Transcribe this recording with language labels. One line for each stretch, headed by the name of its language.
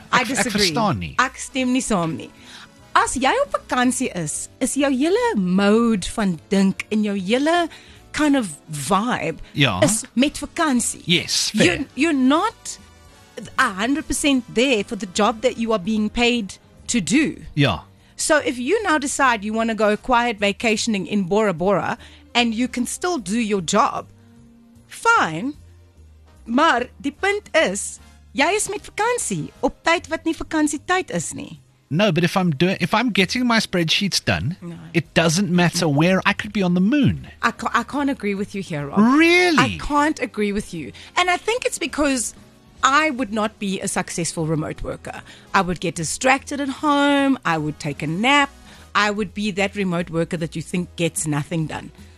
English: I disagree.
Afrikaans: Ek stem nie saam nie. As jy op vakansie is, is jou hele mode van dink en jou hele
English: kind of vibe
Afrikaans: is met vakansie.
English: Yes, fair. You're not 100% there for the job that you are being paid to do. Yeah. So if you now decide you want to go quiet vacationing in Bora Bora and you can still do your job, fine.
Afrikaans: Maar die punt is, jy is met vakansie op tyd wat nie vakansie tyd is nie.
English: No, but if I'm doing, if I'm getting my spreadsheets done, it doesn't matter where. I could be on the moon. I can't agree with you here, Rob. Really? I can't agree with you. And I think it's because I would not be a successful remote worker. I would get distracted at home. I would take a nap. I would be that remote worker that you think gets nothing done.